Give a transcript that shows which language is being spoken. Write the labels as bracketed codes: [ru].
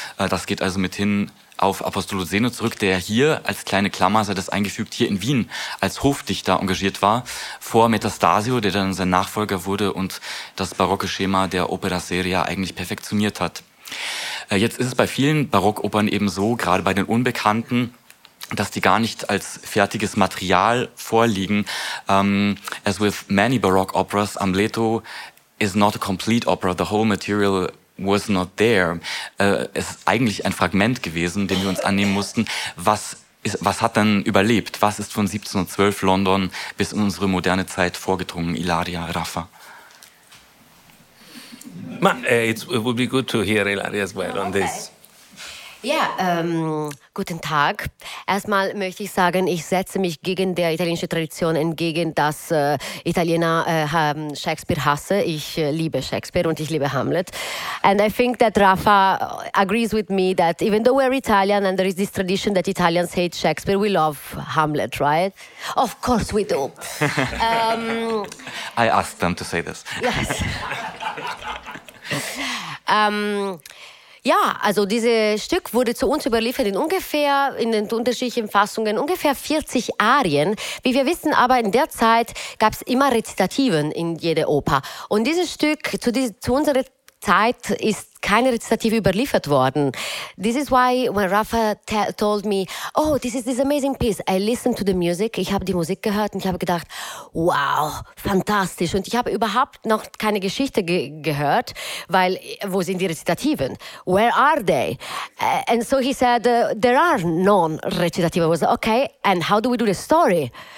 [de] Das geht also mithin auf Apostolo Zeno zurück, der hier als kleine Klammer, sei das eingefügt, hier in Wien als Hofdichter engagiert war, vor Metastasio, der dann sein Nachfolger wurde und das barocke Schema der Opera Seria eigentlich perfektioniert hat. Jetzt ist es bei vielen Barockopern eben so, gerade bei den Unbekannten, dass die gar nicht als fertiges Material vorliegen. [en] As with many Baroque operas, Amleto is not a complete opera, the whole material was not there. [de] Es ist eigentlich ein Fragment gewesen, dem wir uns annehmen mussten. Was hat dann überlebt? Was ist von 1712 London bis in unsere moderne Zeit vorgedrungen, Ilaria, Rafa? [en] It would be good to hear Ilaria as well on this. [de] Ja, guten Tag. Erstmal möchte ich sagen, ich setze mich gegen der italienische Tradition entgegen, dass Italiener Shakespeare hasse. Ich liebe Shakespeare und ich liebe Hamlet. [en] And I think that Rafa agrees with me that even though we're Italian and there is this tradition that Italians hate Shakespeare, we love Hamlet, right? Of course we do. I asked them to say this. Yes. [de] Ja, also dieses Stück wurde zu uns überliefert in ungefähr, in den unterschiedlichen Fassungen, ungefähr 40 Arien. Wie wir wissen, aber in der Zeit gab es immer Rezitativen in jeder Oper. Und dieses Stück, zu unserer Zeit ist keine Rezitative überliefert worden. [en] This is why when Rafa told me, oh, this is this amazing piece, I listened to the music, [de] ich habe die Musik gehört und ich habe gedacht, wow, fantastisch. Und ich habe überhaupt noch keine Geschichte gehört, weil, wo sind die Rezitativen? [en] Where are they? And so he said, there are non-Rezitative. I was like, okay, and how do we do the story?